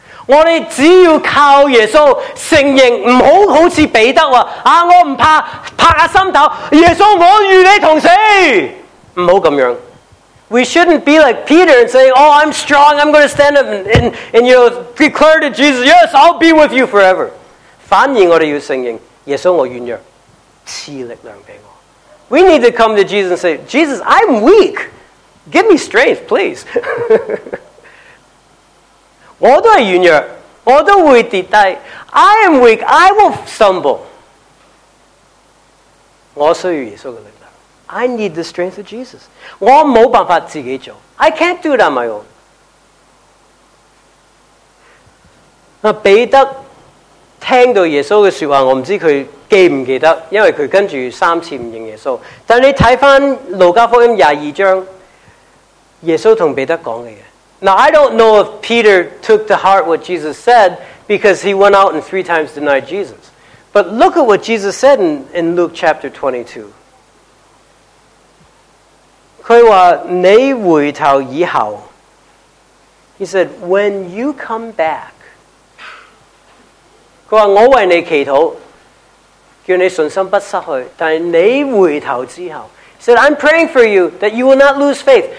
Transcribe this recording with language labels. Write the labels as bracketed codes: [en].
[yue] 我们只要靠耶稣承认，不要好像彼得说、啊、我不怕，拍下心头，耶稣我与你同死，不要这样。 [en] We shouldn't be like Peter and say, oh, I'm strong, I'm going to stand up and you know, declare to Jesus, yes, I'll be with you forever. [yue] 反而我们要承认，耶稣我软弱，赐力量给我。 [en] We need to come to Jesus and say, Jesus, I'm weak, give me strength, please. [yue] 我都是软弱，我都会跌低。 [en] I am weak, I will stumble. [yue] 我需要耶稣的力量。 [en] I need the strength of Jesus. [yue] 我没办法自己做。 [en] I can't do it on my own. [yue] 彼得听到耶稣的说话，我不知道他记不记得，因为他跟着三次不认耶稣。但你看回路加福音22章，耶稣跟彼得讲的。 [en] Now, I don't know if Peter took to heart what Jesus said because he went out and three times denied Jesus. But look at what Jesus said in Luke chapter 22. [yue] 他说, 你回头以后, [en] he said, when you come back, [yue] 他说, 我为你祈祷, 叫你信心不失去, 但你回头之后, [en] he said, I'm praying for you that you will not lose faith.